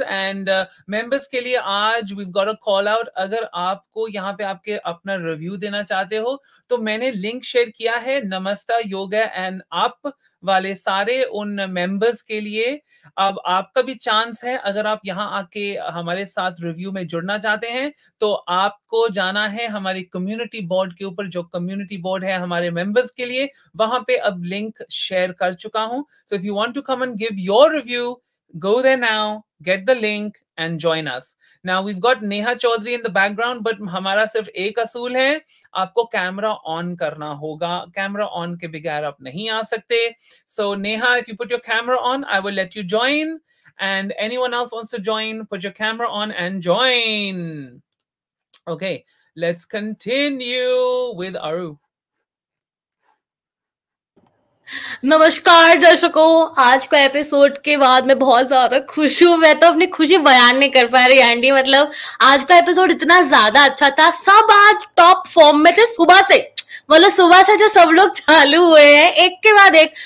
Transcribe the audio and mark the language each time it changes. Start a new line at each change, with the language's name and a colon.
Hindi: And members के लिए आज
English: we have got a call out,
Hindi: अगर आपको यहाँ पे आपके अपना रिव्यू देना चाहते हो तो मैंने लिंक शेयर किया है नमस्ता योगा एंड अप वाले सारे उन मेंबर्स के लिए, अब आपका भी चांस है, अगर आप यहाँ आके हमारे साथ रिव्यू में जुड़ना चाहते हैं तो आपको जाना है हमारी कम्युनिटी बोर्ड के ऊपर, जो कम्युनिटी बोर्ड है हमारे मेंबर्स के लिए, वहां पे अब लिंक शेयर कर चुका हूँ,
English: So if you want to come and give your review go there now, get the link and join us. Now we've got Neha Chaudhary in the background, but
Hindi: हमारा सिर्फ एक असूल है, आपको कैमरा ऑन करना होगा. कैमरा ऑन के बगैर आप नहीं आ सकते.
English: So Neha, if you put your camera on, I will let you join. And anyone else wants to join, put your camera on and join. Okay, let's continue with Aru.
Hindi: नमस्कार दर्शकों, आज का episode के बाद मैं बहुत ज्यादा खुश हूँ। मैं तो अपनी खुशी बयान नहीं कर पा रही एंडी। मतलब आज का एपिसोड इतना ज्यादा अच्छा था, सब आज टॉप फॉर्म में थे। सुबह से, मतलब सुबह से जो सब लोग चालू हुए हैं एक के बाद एक।